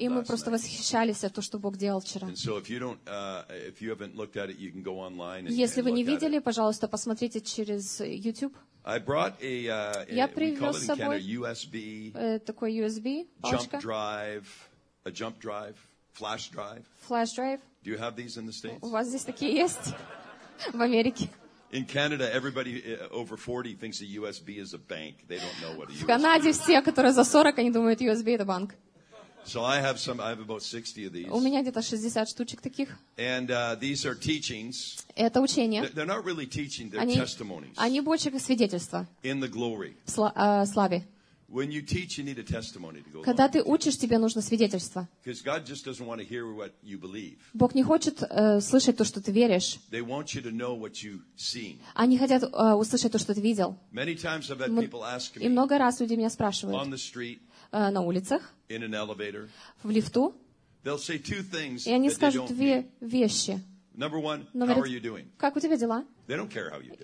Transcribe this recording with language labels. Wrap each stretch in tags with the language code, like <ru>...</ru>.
<ru>И мы просто восхищались от того, что Бог делал вчера.</ru> <en>And so, if you don't, if you haven't looked at it, you can go online.</en> <ru>Если вы не видели, пожалуйста, посмотрите через YouTube.</ru> <en>I brought a.</en> <ru>Я привез с собой</ru> <en>USB.</en> <ru>Такой USB.</ru> <en>Jump drive. A jump drive. Flash drive. Flash drive. Do you have these in the States?</en> <ru>У вас здесь такие есть в Америке?</ru> <en>In Canada, everybody over 40 thinks a USB is a bank. They don't know what a USB is.</en> <ru>В Канаде все, которые за 40, они думают, USB это банк.</ru> <en>So I have about 60 of these.</en> <ru>У меня где-то 60 штучек таких.</ru> <en>And these are teachings.</en> <ru>Это учения.</ru> <en>They're not really teaching, they're testimonies.</en> <ru>Они больше как свидетельства.</ru> <en>In the glory.</en> <ru>В славе.</ru> <en>When you teach, you need a testimony to go.</en> <ru>Когда ты учишь, тебе нужно свидетельство.</ru> <en>Because God just doesn't want to hear what you believe.</en> <ru>Бог не хочет слышать то, что ты веришь.</ru> <en>They want you to know what you've seen.</en> <ru>Они хотят услышать то, что ты видел.</ru> <en>Many times I've had people ask me.</en> <ru>И много раз люди меня спрашивают.</ru> <en>On the street.</en> <ru>На улицах.</ru> <en>In an elevator.</en> <ru>В лифту.</ru> <en>They'll say two things.</en> <ru>И они скажут две вещи.</ru> <en>Number one, how are you doing?</en> <ru>Как у тебя дела?</ru> <en>They don't care how you do.</en>